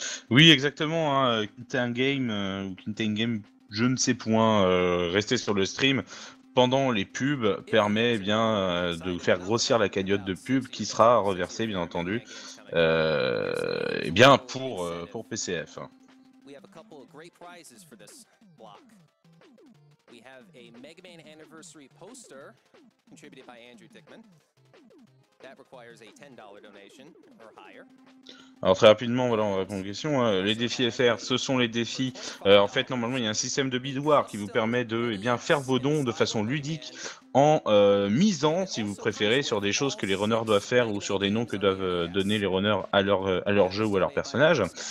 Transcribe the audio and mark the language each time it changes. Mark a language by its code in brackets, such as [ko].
[fr] Oui, exactement, hein, Quintin Game, Quintin Game, je ne sais point, restez sur le stream pendant les pubs permet eh bien de faire grossir la cagnotte de pub qui sera reversée, bien entendu, eh bien pour PCF. Hein. [en] We have a couple of great prizes for this block. We have a Mega Man anniversary poster contributed by Andrew Dickman. That requires a $10 donation or higher. [fr] Alors très rapidement, voilà, on répond aux questions. Les défis FR, ce sont les défis. En fait, normalement, il y a un système de bidoir qui vous permet de, eh bien, faire vos dons de façon ludique en misant, si vous préférez, sur des choses que les runners doivent faire ou sur des noms que doivent donner les runners à leur jeu ou à leur personnage.